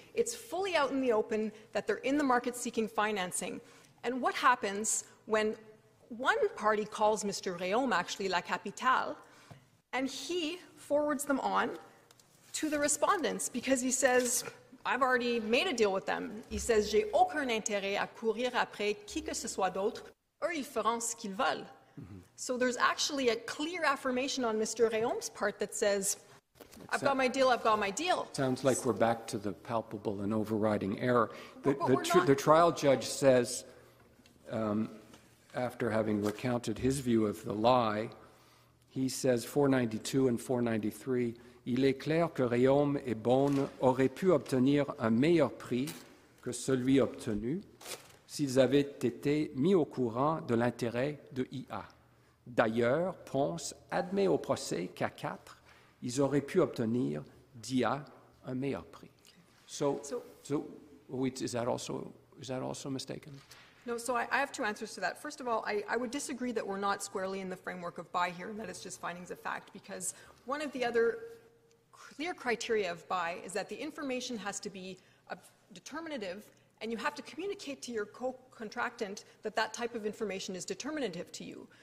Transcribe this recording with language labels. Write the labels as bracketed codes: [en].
[en] It's fully out in the open that they're in the market seeking financing. And what happens when one party calls Mr. Rhéaume, actually, La Capitale, and he forwards them on to the respondents because he says, I've already made a deal with them. He says, [fr] j'ai aucun intérêt à courir après qui que ce soit d'autre, eux ils feront ce qu'ils veulent. [en] So there's actually a clear affirmation on Mr. Rayom's part that says, I've got my deal, I've got my deal. Sounds like we're back to the palpable and overriding error. The trial judge says, after having recounted his view of the lie, he says, [fr] 492 and 493, il est clair que Rhéaume et Bonne auraient pu obtenir un meilleur prix que celui obtenu s'ils avaient été mis au courant de l'intérêt de IA. D'ailleurs, Ponce admet au procès qu'à 4, ils auraient pu obtenir d'IA un meilleur prix. [en] Is that also mistaken? No, so I have two answers to that. First of all, I would disagree that we're not squarely in the framework of buy here and that it's just findings of fact, because one of the other clear criteria of buy is that the information has to be determinative and you have to communicate to your co-contractant that that type of information is determinative to you.